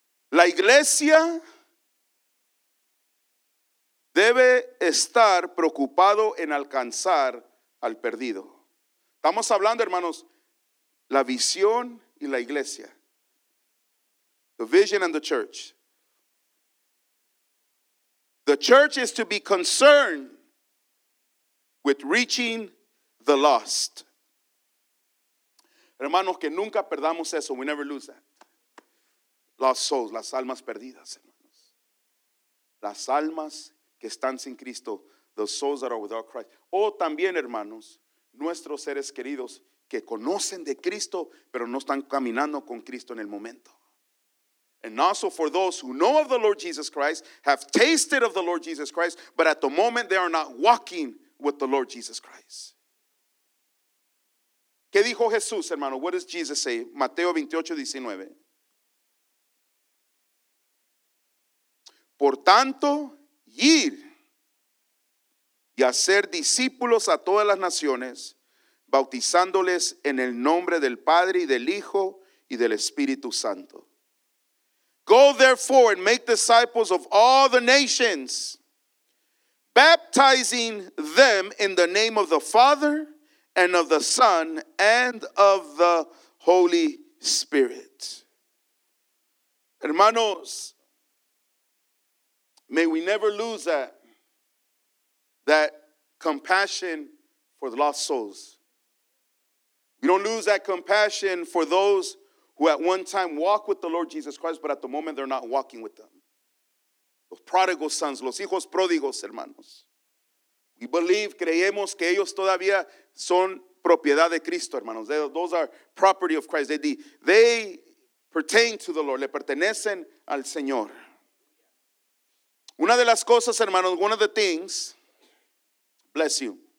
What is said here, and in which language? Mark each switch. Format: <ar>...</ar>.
<es>La iglesia debe estar preocupado en alcanzar al perdido. Estamos hablando, hermanos, la visión y la iglesia.</es> <en>The vision and the church. The church is to be concerned with reaching the lost.</en> <es>Hermanos, que nunca perdamos eso.</es> <en>We never lose that. Lost souls,</en> <es>las almas perdidas, hermanos. Las almas que están sin Cristo.</es> <en>The souls that are without Christ.</en> <es>O también, hermanos, nuestros seres queridos que conocen de Cristo, pero no están caminando con Cristo en el momento.</es> <en>And also for those who know of the Lord Jesus Christ, have tasted of the Lord Jesus Christ, but at the moment they are not walking with the Lord Jesus Christ.</en> <es>¿Qué dijo Jesús, hermano?</es> <en>What does Jesus say?</en> <es>Mateo 28, 19. Por tanto, ir y hacer discípulos a todas las naciones, bautizándoles en el nombre del Padre y del Hijo y del Espíritu Santo.</es> <en>Go therefore and make disciples of all the nations, baptizing them in the name of the Father and of the Son and of the Holy Spirit.</en> <es>Hermanos,</es> <en>may we never lose that compassion for the lost souls. We don't lose that compassion for those who at one time walk with the Lord Jesus Christ, but at the moment they're not walking with them.</en> <es>Los</es> <en>prodigal sons,</en> <es>los hijos pródigos, hermanos.</es> <en>We believe,</en> <es>creemos que ellos todavía son propiedad de Cristo, hermanos.</es> <en>Those are property of Christ. They pertain to the Lord.</en> <es>Le pertenecen al Señor. Una de las cosas, hermanos,</es> <en>one of the things, bless you.</en>